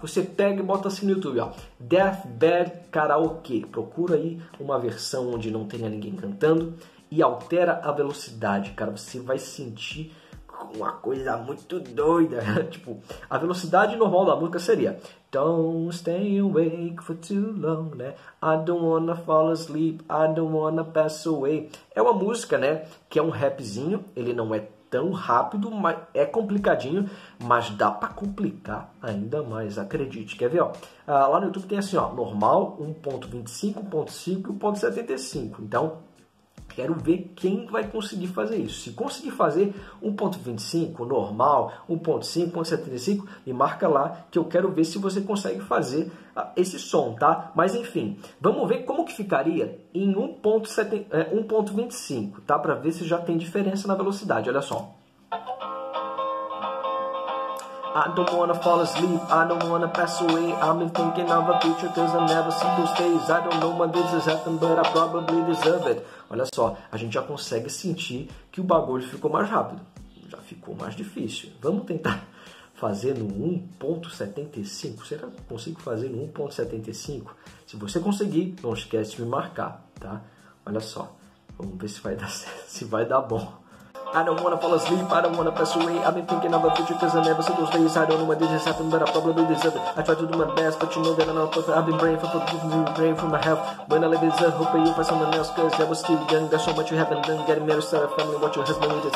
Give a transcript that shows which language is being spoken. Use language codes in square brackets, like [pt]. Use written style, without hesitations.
[pt] Você pega e bota assim no YouTube, ó. Deathbed Karaoke. Procura aí uma versão onde não tenha ninguém cantando e altera a velocidade, cara. Você vai sentir uma coisa muito doida. Tipo, a velocidade normal da música seria [en] Don't stay awake for too long, [pt] né? [en] I don't wanna fall asleep, I don't wanna pass away. [pt] É uma música, né, que é um rapzinho. Ele não é tão rápido, mas é complicadinho, mas dá pra complicar ainda mais, acredite. Quer ver, ó? Lá no YouTube tem assim, ó, normal 1.25, 1.5 e 1.75. Então, quero ver quem vai conseguir fazer isso. Se conseguir fazer 1.25, normal, 1.5, 1.75, me marca lá que eu quero ver se você consegue fazer esse som, tá? Mas enfim, vamos ver como que ficaria em 1.25, tá? Pra ver se já tem diferença na velocidade, olha só. [en] I don't wanna fall asleep, I don't wanna pass away. I've been thinking of a future cause I never see those days. I don't know when this happened, but I probably deserve it. [pt] Olha só, a gente já consegue sentir que o bagulho ficou mais rápido. Já ficou mais difícil. Vamos tentar fazer no 1.75. Será que eu consigo fazer no 1.75? Se você conseguir, não esquece de me marcar, tá? Olha só, vamos ver se vai dar certo, se vai dar bom. [en] I don't wanna fall asleep, I don't wanna pass away. I've been thinking about future cause I never see those days. I don't know what this happened, but I probably deserve it. I try to do my best, but you know that I'm not perfect. I've been praying for forgiveness, been praying for my health. When I leave this earth, hope you find someone else. Cause I was still young, there's so much you haven't done. Getting married, start a family, what your husband needed.